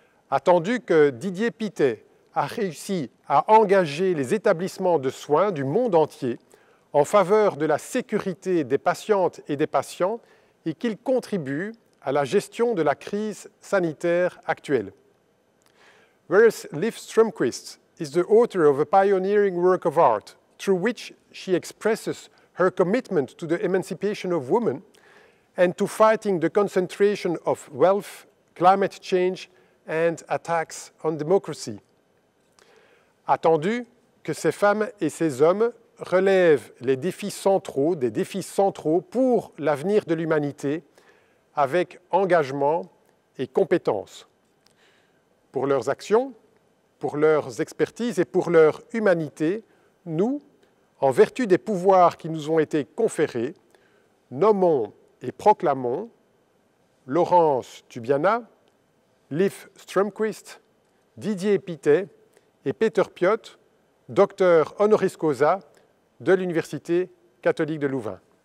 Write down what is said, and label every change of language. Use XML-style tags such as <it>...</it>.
<fr>Attendu que Didier Pittet a réussi à engager les établissements de soins du monde entier en faveur de la sécurité des patientes et des patients et qu'il contribue à la gestion de la crise sanitaire actuelle.</fr> <en>Whereas Liv Strömquist is the author of a pioneering work of art through which she expresses her commitment to the emancipation of women and to fighting the concentration of wealth, climate change, and attacks on democracy.</en> <fr>Attendu que ces femmes et ces hommes relèvent les défis centraux, des défis centraux pour l'avenir de l'humanité avec engagement et compétence. Pour leurs actions, pour leurs expertises et pour leur humanité, nous, en vertu des pouvoirs qui nous ont été conférés, nommons et proclamons Laurence Dubiana, Liv Strömquist, Didier Pittet et Peter Piot, docteur honoris causa de l'Université catholique de Louvain.</fr>